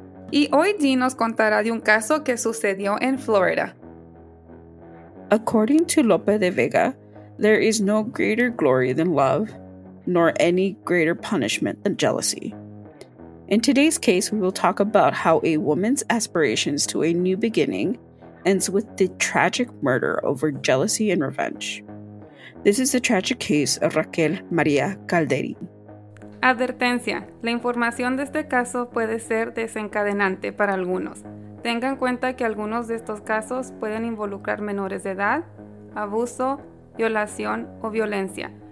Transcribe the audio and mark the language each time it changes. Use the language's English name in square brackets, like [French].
[Spanish] Y hoy Dee nos contará de un caso que sucedió en Florida. [English] According to Lope de Vega, there is no greater glory than love, nor any greater punishment than jealousy. In today's case, we will talk about how a woman's aspirations to a new beginning ends with the tragic murder over jealousy and revenge. This is the tragic case of Raquel María Calderín. [Spanish] Advertencia: la información de este caso puede ser desencadenante para algunos. Tenga en cuenta que algunos de estos casos pueden involucrar menores de edad, abuso, violación o violencia.